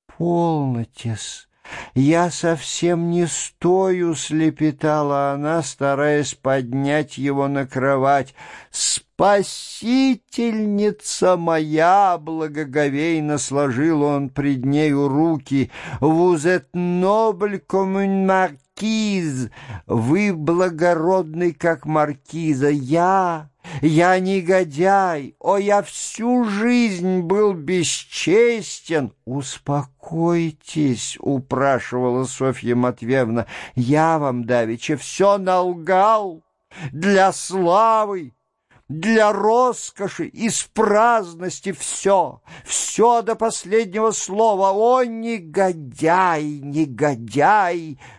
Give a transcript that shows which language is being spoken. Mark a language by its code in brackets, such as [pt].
[ru] «Полнотесь, я совсем не стою», — слепетала она, стараясь поднять его на кровать. «Спасительница моя!» — благоговейно сложил он пред нею руки. [fr] «Vous êtes noble comme une marquise». [ru] «Маркиз, вы благородный, как маркиза, я негодяй, о, я всю жизнь был бесчестен». «Успокойтесь», — упрашивала Софья Матвеевна, — «я вам давеча все налгал для славы, для роскоши, из праздности все, все до последнего слова, о, негодяй, негодяй».